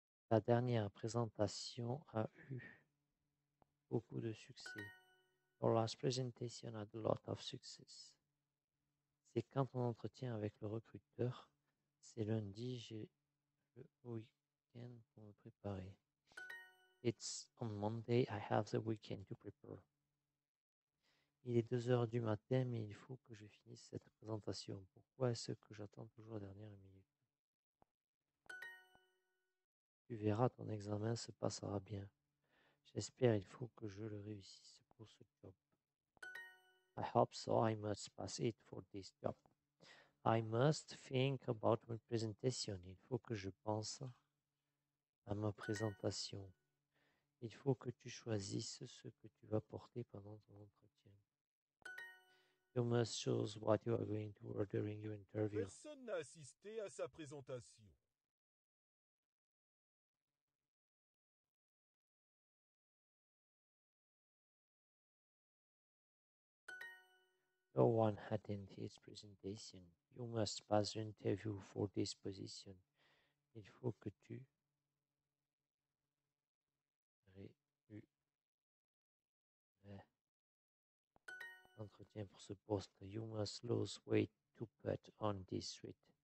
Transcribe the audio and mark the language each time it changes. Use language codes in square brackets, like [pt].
[fr] La dernière présentation a eu beaucoup de succès. [en] Our last presentation had a lot of success. [fr] C'est quand on entretient avec le recruteur. C'est lundi, j'ai le week-end pour me préparer. [en] It's on Monday, I have the weekend to prepare. [fr] Il est 2h du matin, mais il faut que je finisse cette présentation. Pourquoi est-ce que j'attends toujours la dernière minute? Tu verras, ton examen se passera bien. J'espère, il faut que je le réussisse pour ce job. [en] I hope so, I must pass it for this job. I must think about my presentation. [fr] Il faut que je pense à ma présentation. Il faut que tu choisisses ce que tu vas porter pendant ton entretien. [en] You must choose what you are going to wear during your interview. [fr] Personne n'a assisté à sa présentation. [en] No one attended his presentation. You must pass the interview for this position. [fr] Il faut que tu entretien pour ce poste. [en] You must lose weight to put on this suit.